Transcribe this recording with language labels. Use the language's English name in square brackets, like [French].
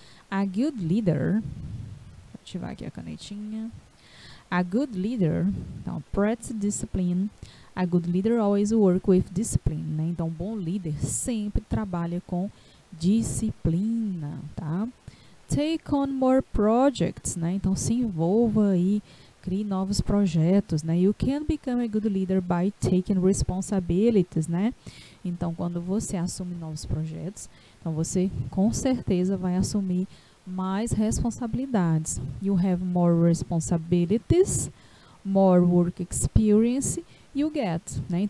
[English] A good leader, [Portuguese] vou ativar aqui a canetinha. [English] A good leader, então practice discipline. A good leader always work with discipline, né? [Portuguese] Então bom líder sempre trabalha com disciplina, tá? [English] Take on more projects, [Portuguese] né? Então, se envolva aí, crie novos projetos, né? [English] You can become a good leader by taking responsibilities, né? [Portuguese] Então, quando você assume novos projetos, então você, com certeza, vai assumir mais responsabilidades. [English] You have more responsibilities, more work experience you get, né?